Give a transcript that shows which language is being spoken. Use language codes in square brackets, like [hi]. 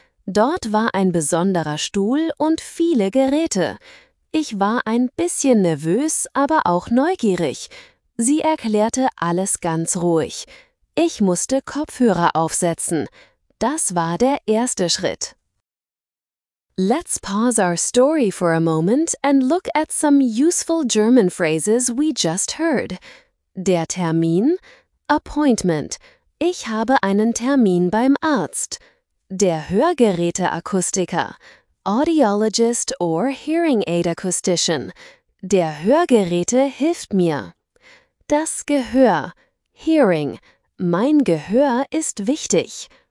[de] Dort war ein besonderer Stuhl und viele Geräte. Ich war ein bisschen nervös, aber auch neugierig. Sie erklärte alles ganz ruhig. Ich musste Kopfhörer aufsetzen. Das war der erste Schritt. [en] Let's pause our story for a moment and look at some useful German phrases we just heard. [de] Der Termin, appointment. Ich habe einen Termin beim Arzt. Der Hörgeräteakustiker, [en] audiologist or hearing aid acoustician. [de] Der Hörgeräte hilft mir. Das Gehör, hearing. Mein Gehör ist wichtig.